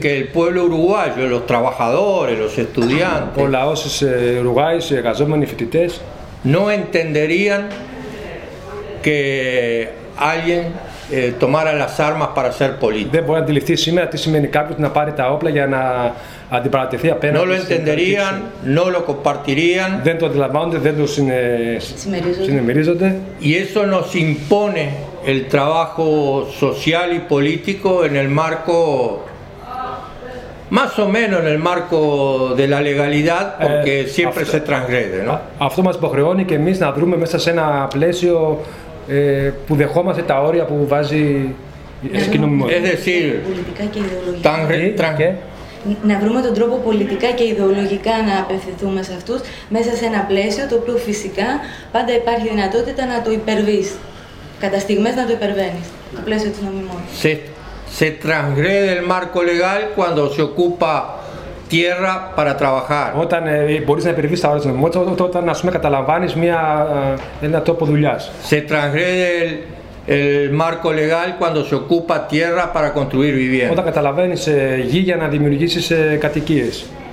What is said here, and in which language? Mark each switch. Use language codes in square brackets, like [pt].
[es] que el pueblo uruguayo, los trabajadores, los estudiantes, [el] ο λαός της Ουρουγουάης, οι εργαζόμενοι, οι φοιτητές, [es] no entenderían que alguien tomara las armas para ser político. [el] Δεν μπορεί να αντιληφθεί σήμερα τι σημαίνει κάποιος να πάρει τα όπλα για να αντιπαρατεθεί απέναντι. [es] No lo entenderían, no lo compartirían. [el] Δεν το αντιλαμβάνονται, δεν το συνεμερίζονται. [es] Y eso nos impone el trabajo social y político en el marco, más o menos en el marco de la legalidad, porque siempre se transgrede, ¿no? [el] Αυτό μας υποχρεώνει και εμείς να δρούμε μέσα σε ένα πλαίσιο που δεχόμαστε τα όρια που βάζει η κοινωνία. [es] Es decir, [el] πολιτικά και ιδεολογικά. Να βρούμε τον τρόπο πολιτικά και ιδεολογικά να απευθυνθούμε σε αυτούς μέσα σε ένα πλαίσιο το οποίο φυσικά πάντα υπάρχει δυνατότητα να το υπερβείς. Κατά στιγμές να το υπερβαίνεις. Το πλαίσιο της νομιμότητας. [es] Se transgrede el marco legal cuando se ocupa tierra para trabajar. [el] Όταν μπορείς να υπερβείς τα όρια της νομιμότητας, όταν ας πούμε καταλαμβάνεις ένα τόπο δουλειάς. [es] Se transgrede el marco legal cuando se ocupa tierra para construir vivienda. [el] Όταν καταλαβαίνεις γη για να δημιουργήσεις κατοικίες.